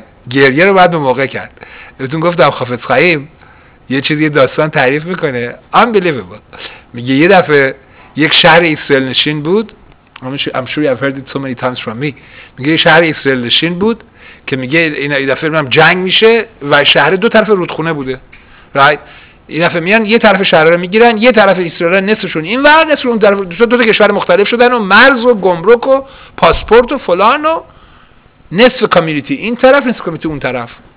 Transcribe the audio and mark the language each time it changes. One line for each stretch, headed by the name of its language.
Persian: گریه رو باید به موقع کرد. بهتون گفتم حافظ خاییم یه چیزی داستان تعریف میکنه، unbelievable. میگه یه دفعه یک شهر اسرائیل نشین بود،
English: I'm sure you have heard it so many times from me.
Persian: میگه یه شهر اسرائیل نشین بود که میگه این دفعه میگم جنگ میشه و شهر دو طرف رودخونه بوده، right. این دفعه میان یه طرف شهر رو میگیرن، یه طرف اسرائیل، نصفشون این ور نصف اون طرف، دو تا کشور مختلف شدن و مرز و گمرک و پاسپورت و فلان و نصف کامیونیتی این طرف، نصف کامیونیتی اون طرف.